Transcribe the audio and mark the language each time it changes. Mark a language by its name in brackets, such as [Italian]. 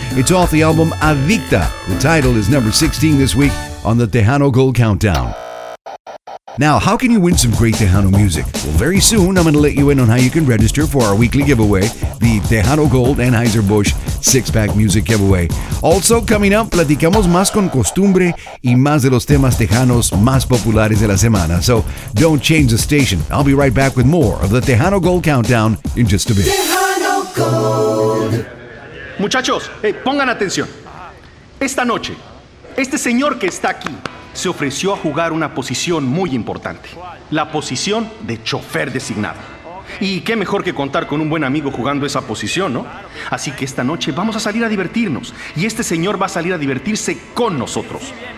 [English] It's off the album Adicta. The title is number 16 this week on the Tejano Gold Countdown. Now, how can you win some great Tejano music? Well, very soon, I'm going to let you in on how you can register for our weekly giveaway, the Tejano Gold Anheuser-Busch Six-Pack Music Giveaway. Also, coming up, [Spanish] platicamos más con costumbre y más de los temas tejanos más populares de la semana. [English] So, don't change the station. I'll be right back with more of the Tejano Gold Countdown in just a bit. Tejano [Spanish] Gold. Muchachos, hey, pongan atención. Esta noche, este señor que está aquí se ofreció a jugar una posición muy importante. La posición de chofer designado. Y qué mejor que contar con un buen amigo jugando esa posición, ¿no? Así que esta noche vamos a salir a divertirnos. Y este señor va a salir a divertirse con nosotros.